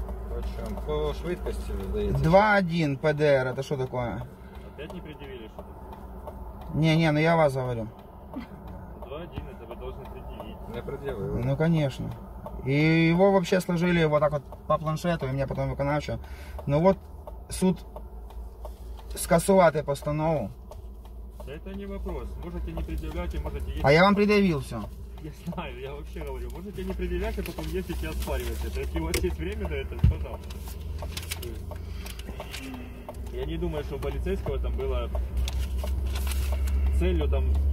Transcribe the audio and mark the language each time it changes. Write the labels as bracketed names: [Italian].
[Russian] Почем? [Ukrainian] По швидкості, здається. [Russian] 2-1 ПДР, это что такое? Опять не предъявили что-то? Не, ну я вас говорю. 2-1, это вы должны предъявить. Не предъявили. Ну конечно. И его вообще сложили вот так вот по планшету, и мне потом выконавчу. Ну вот [Ukrainian] суд скасувати постанову. [Russian] Да это не вопрос. Можете не предъявлять, и можете ездить. А я вам предъявил все. Я знаю, я вообще говорю, можете не предъявлять, а потом ездить и оспаривать это. Если у вас есть время на это, пожалуйста. Я не думаю, что у полицейского там было целью там...